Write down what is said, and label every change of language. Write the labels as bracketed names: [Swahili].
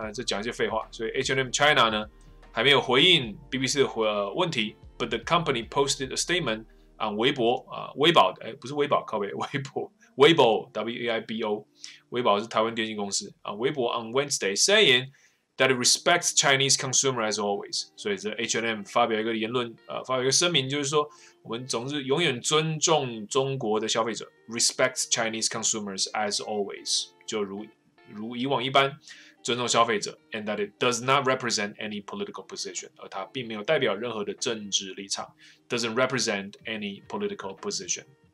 [Chinese] 这讲一些废话。所以 H&M China 呢，还没有回应 BBC 的问题 ， [English] But the company posted a statement on [Chinese] 微博啊，微博，哎，不是微博，靠北，微博。 [English] Weibo, W-A-I-B-O, Weibo is a Taiwan Telecom Company. Weibo on Wednesday saying that it respects Chinese consumer as always. [Chinese] So it's H&M 发表一个言论，发表一个声明，就是说我们总是永远尊重中国的消费者 ， [English] respects Chinese consumers as always， [Chinese] 就如以往一般尊重消费者 ， [English] and that it does not represent any political position， [Chinese] 而它并没有代表任何的政治立场 ， [English] doesn't represent any political position.